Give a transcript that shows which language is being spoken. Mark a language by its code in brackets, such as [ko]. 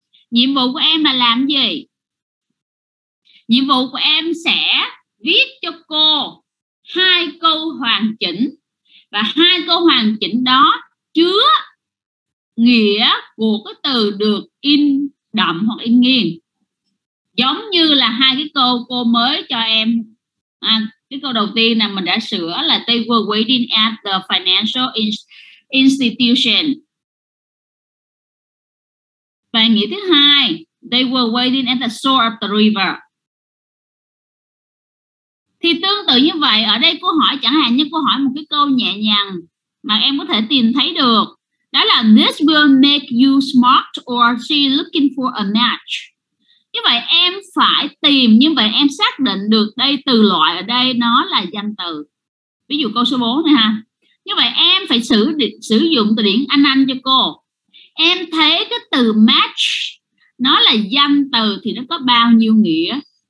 [vi] Nhiệm vụ của em là làm gì? Nhiệm vụ của em sẽ viết cho cô hai câu hoàn chỉnh, và hai câu hoàn chỉnh đó chứa nghĩa của cái từ được in đậm hoặc in nghiêng, giống như là hai cái câu cô mới cho em. Cái câu đầu tiên là mình đã sửa là [en] they were waiting at the financial institution. [vi] Và nghĩa thứ hai, [en] they were waiting at the shore of the river. [vi] Thì tương tự như vậy, ở đây cô hỏi chẳng hạn như cô hỏi một cái câu nhẹ nhàng mà em có thể tìm thấy được. Đó là [en] this will make you smart or she looking for a match. [vi] Như vậy em phải tìm, như vậy em xác định được đây từ loại ở đây nó là danh từ. Ví dụ câu số 4 này ha. Như vậy em phải sử dụng từ điển Anh cho cô. Em thấy cái từ match nó là danh từ thì nó có bao nhiêu nghĩa?